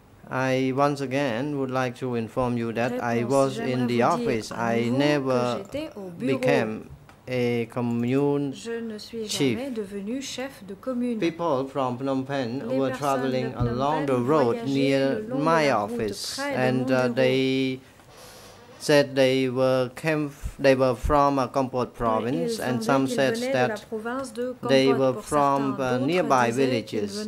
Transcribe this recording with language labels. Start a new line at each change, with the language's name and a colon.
English: I once again would like to inform you that I was in the office. I never became a commune chief.
French: Je ne suis jamais devenu chef de commune.
English: People from Phnom Penh were traveling along the road near my office, and they said they were from Kompot province, and some said that they were from nearby villages.